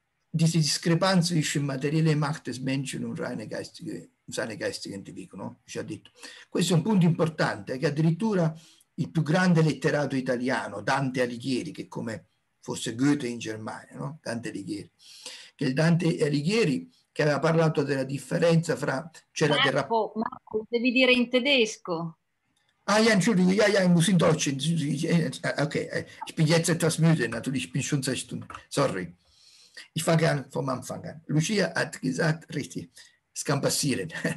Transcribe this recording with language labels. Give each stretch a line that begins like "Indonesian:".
German: Diese Diskrepanz zwischen materielle Macht des Menschen und seine geistige Entwicklung, no? Ich habe gesagt.
Italian: Questo è un punto importante, che addirittura il più grande letterato italiano, Dante Alighieri, che è come fosse Goethe in Germania, no? Dante Alighieri, che è il Dante Alighieri che aveva parlato della differenza fra... C'era Marco, del Marco, devi dire in tedesco.
German: Ah, ja, entschuldige, ja, ja, muss in Deutsch. Ok, ich bin jetzt etwas müde, natürlich, ich bin schon 6 Stunden. Sorry. Ich fange an vom Anfang an. Lucia hat gesagt, richtig, es kann passieren.